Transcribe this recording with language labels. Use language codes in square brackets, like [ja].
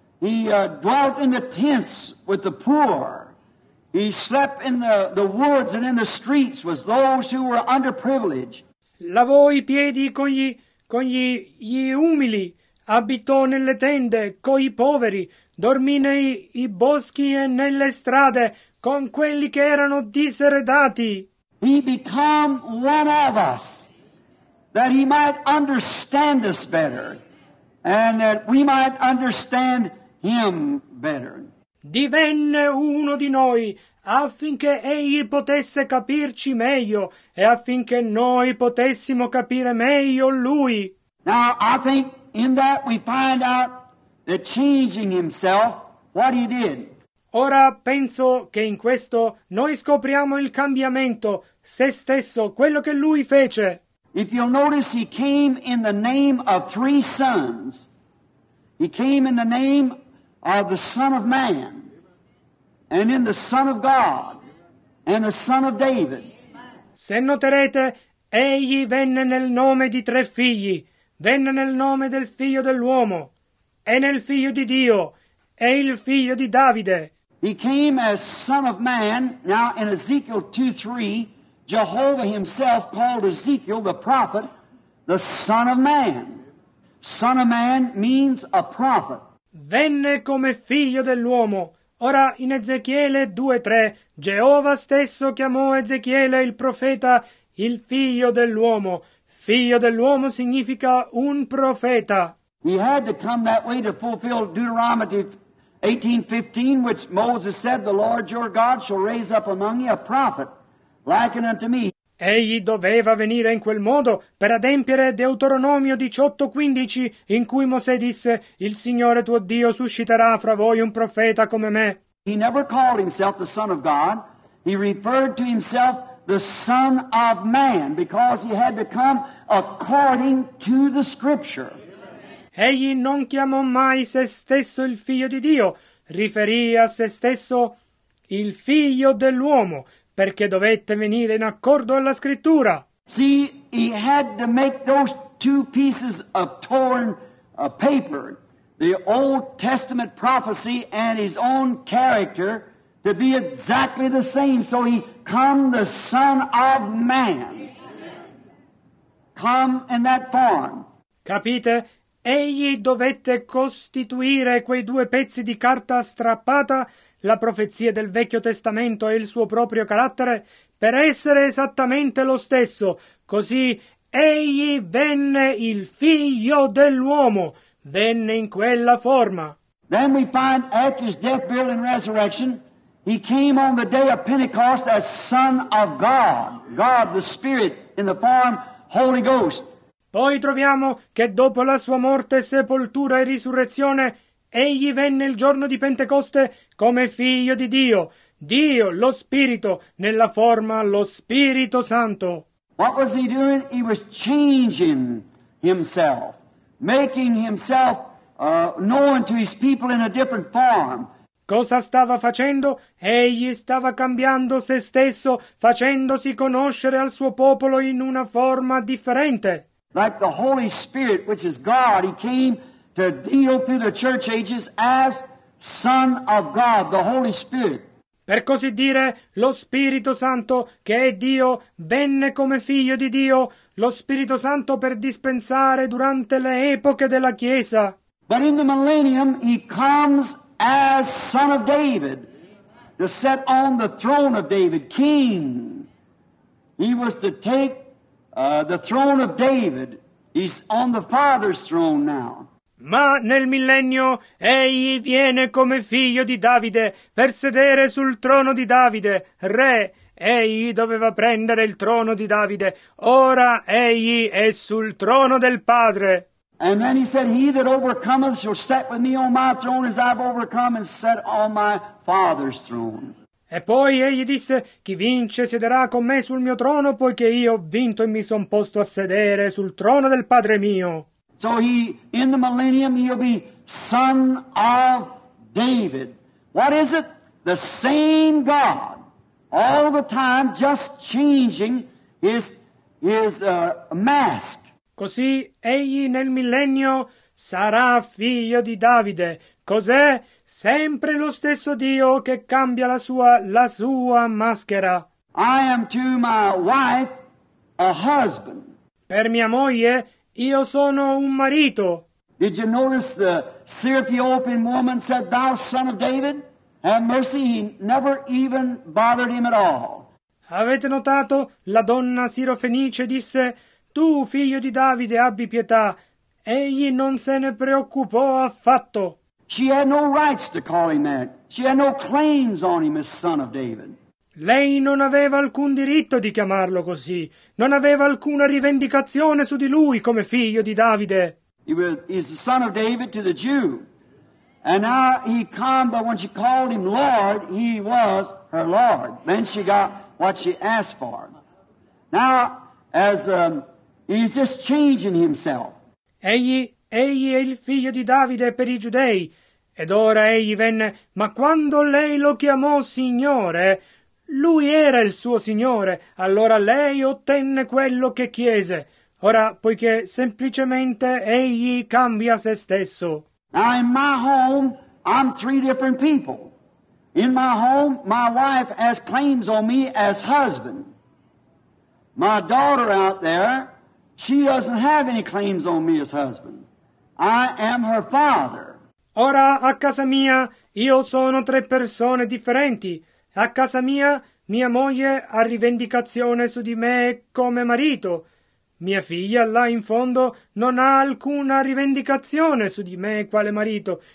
[en] He dwelt in the tents with the poor. He slept in the woods and in the streets with those who were underprivileged. [it] Lavò i piedi con gli umili, abitò nelle tende coi poveri, dormì nei boschi e nelle strade con quelli che erano diseredati. [en] He became one of us, that he might understand us better, and that we might understand him better. [it] Divenne uno di noi, affinché egli potesse capirci meglio e affinché noi potessimo capire meglio lui. [en] Now I think in that we find out that changing himself, what he did. [it] Ora penso che in questo noi scopriamo il cambiamento, se stesso, quello che lui fece. [en] If you'll notice, he came in the name of three sons. He came in the name of the Son of Man, and in the Son of God, and the Son of David. [it] Se noterete, egli venne nel nome di tre figli, venne nel nome del figlio dell'uomo, e nel figlio di Dio, e il figlio di Davide. [en] He came as son of man. Now in Ezekiel 2:3, Jehovah himself called Ezekiel the prophet, the son of man. Son of man means a prophet. [it] Venne come figlio dell'uomo. Ora in Ezechiele 2:3, Geova stesso chiamò Ezechiele il profeta, il figlio dell'uomo. Figlio dell'uomo significa un profeta. [en] He had to come that way to fulfill Deuteronomy 18:15, which Moses said, the Lord your God shall raise up among you a prophet like unto me. [it] Egli doveva venire in quel modo per adempiere Deuteronomio 18:15, in cui Mosè disse: il Signore tuo Dio susciterà fra voi un profeta come me. [en] He never called himself the son of God. He referred to himself the son of man, because he had to come according to the scripture. [it] Egli non chiamò mai se stesso il figlio di Dio, riferì a se stesso il figlio dell'uomo, perché dovette venire in accordo alla scrittura. [en] See, he had to make those two pieces of torn paper, the Old Testament prophecy and his own character, to be exactly the same. So he come the son of man. Come in that form. [it] Capite? Egli dovette costituire quei due pezzi di carta strappata, la profezia del Vecchio Testamento e il suo proprio carattere, per essere esattamente lo stesso. Così egli venne il figlio dell'uomo, venne in quella forma. [en] Then we find after his death, burial and resurrection, he came on the day of Pentecost as son of God, God the Spirit in the form Holy Ghost. [it] Poi troviamo che dopo la sua morte, sepoltura e risurrezione, egli venne il giorno di Pentecoste come figlio di Dio, Dio lo Spirito, nella forma lo Spirito Santo. [en] What was he doing? He was changing himself, making himself known to his people in a different form. [it] Cosa stava facendo? Egli stava cambiando se stesso, facendosi conoscere al suo popolo in una forma differente. [en] Like the Holy Spirit, which is God, he came to deal through the church ages as Son of God, the Holy Spirit. [it] Per così dire, lo Spirito Santo, che è Dio, venne come figlio di Dio, lo Spirito Santo per dispensare durante le epoche della Chiesa. [en] But in the millennium he comes as Son of David, to sit on the throne of David, King. He was to take the throne of David is on the Father's throne now. [it] Ma nel millennio egli viene come figlio di Davide per sedere sul trono di Davide, re. Egli doveva prendere il trono di Davide. Ora egli è sul trono del Padre. [en] And then he said, he that overcometh shall sit with me on my throne as I've overcome and sat on my Father's throne. [it] E poi egli disse: chi vince siederà con me sul mio trono, poiché io ho vinto e mi son posto a sedere sul trono del Padre mio. [en] So he, in the millennium, he'll be son of David. What is it? The same God, all the time, just changing his mask. [it] Così egli nel millennio sarà figlio di Davide. Cos'è? Sempre lo stesso Dio che cambia la sua maschera. [en] I am to my wife a husband. [it] Per mia moglie io sono un marito. [en] Did you notice the Syrophoenician woman said, "Thou son of David, have mercy"? He never even bothered him at all. [it] Avete notato? La donna sirofenice disse: "Tu figlio di Davide, abbi pietà". Egli non se ne preoccupò affatto. [en] She had no rights to call him that. She had no claims on him as son of David. [it] Lei non aveva alcun diritto di chiamarlo così. Non aveva alcuna rivendicazione su di lui come figlio di Davide. [en] He's the son of David to the Jew. And now he come, but when she called him Lord, he was her Lord. Then she got what she asked for. Now, he's just changing himself. [it] Egli è il figlio di Davide per i giudei, ed ora egli venne, ma quando lei lo chiamò Signore, lui era il suo Signore, allora lei ottenne quello che chiese. Ora, poiché semplicemente egli cambia se stesso. [en] Now in my home, I'm three different people. In my home, my wife has claims on me as husband. My daughter out there, she doesn't have any claims on me as husband. I am her father. [it] Ora, a casa mia, io sono tre persone differenti. A casa mia, mia moglie ha rivendicazione su di me come marito. Mia figlia, là in fondo, non ha alcuna rivendicazione su di me quale marito.